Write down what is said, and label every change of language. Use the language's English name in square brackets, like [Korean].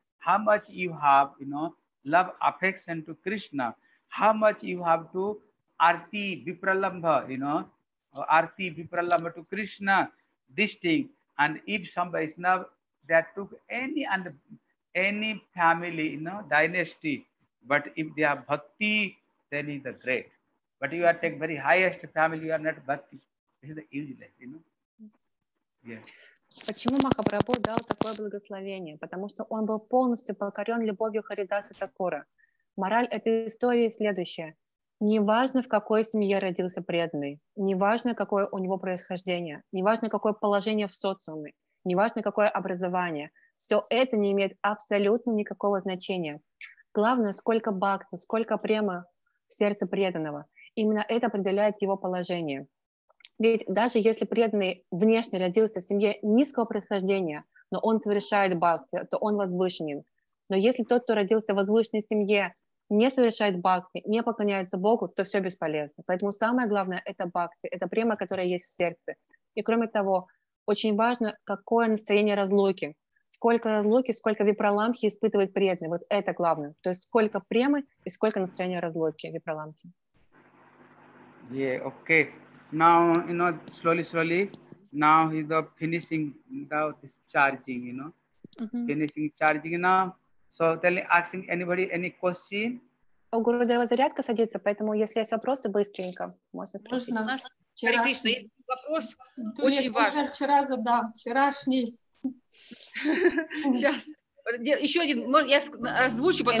[English] How much you have, you know, love, affection to Krishna, how much you have to arti vipralambha, you know, arti vipralambha to Krishna, this thing. And if some Vaishnava that took any and any family, you know, dynasty, but if they are bhakti, then it is great. But you are take very highest family, you are not bhakti. This is the easy life, you know. Yes. [Russian] Почему Махапрабху дал такое благословение? Потому что он был полностью покорен любовью Харидаса Такура. Мораль этой истории следующая. Неважно, в какой семье родился преданный, неважно, какое у него происхождение, неважно, какое положение в социуме, неважно, какое образование, все это не имеет абсолютно никакого значения. Главное, сколько бхакти, сколько премы в сердце преданного. Именно это определяет его положение. Ведь даже если преданный внешне родился в семье низкого происхождения, но он совершает бхакти, то он возвышенен. Но если тот, кто родился в возвышенной семье, не совершает бхакти, не поклоняется Богу, то все бесполезно. Поэтому самое главное — это бхакти, это према, которая есть в сердце. И кроме того, очень важно, какое настроение разлуки. Сколько разлуки, сколько випраламхи испытывает преданный. Вот это главное. То есть сколько премы и сколько настроения разлуки, випраламхи. [English] Yeah, okay. Now, you know, slowly, now he's the finishing now this charging, you know. Mm-hmm. Finishing charging now. So telling, asking anybody any question. [Russian] У Гурудева зарядка садится, поэтому если есть вопросы, быстренько можно спросить. Можно. Хари Кришна, есть вопрос то очень нет, важный. Я вчера задам, вчерашний. Сейчас. Еще один, я озвучу, потом